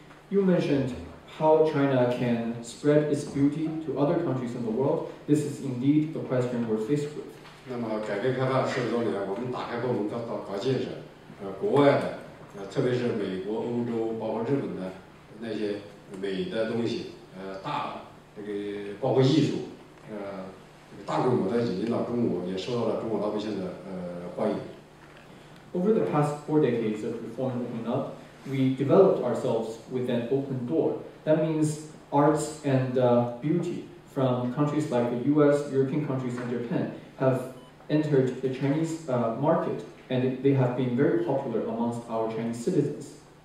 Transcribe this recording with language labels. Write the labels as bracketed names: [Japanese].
[English] You mentioned how China can spread its beauty to other countries in the world. This is indeed the question we're faced with. [Chinese] 那么改革开放40多年，我们打开国门搞建设，国外的，特别是美国、欧洲、包括日本的那些美的东西，大这个包括艺术。 [English] Over the past four decades of reform opening up, we developed ourselves with an open door. That means arts and beauty from countries like the US, European countries, and Japan have entered the Chinese market, and they have been very popular amongst our Chinese citizens.